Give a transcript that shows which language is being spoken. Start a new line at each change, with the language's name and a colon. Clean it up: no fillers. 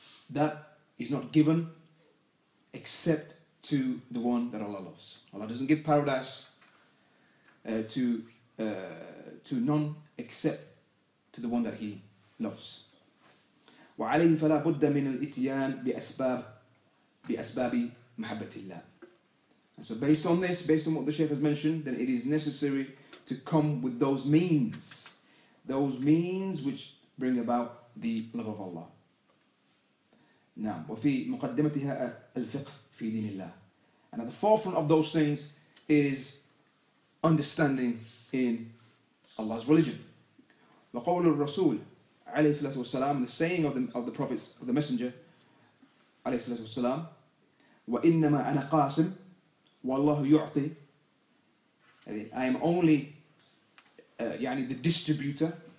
English: That is not given except to the one that Allah loves. Allah doesn't give paradise to none except to the one that He loves.
Arabic: وعليه فلا بد من الاتيان بأسباب محبة الله.
English: And so based on what the Shaykh has mentioned, then it is necessary to come with those means which bring about the love of Allah.
Arabic: نعم وفي مقدمتها الفقه في دين الله
English: and at the forefront of those things is understanding in Allah's religion
Arabic: وقول الرسول عليه الصلاة والسلام
English: the saying of the prophets of the messenger عليه الصلاة والسلام
Arabic: وإنما أنا قاسم والله يعطي
English: I am only the distributor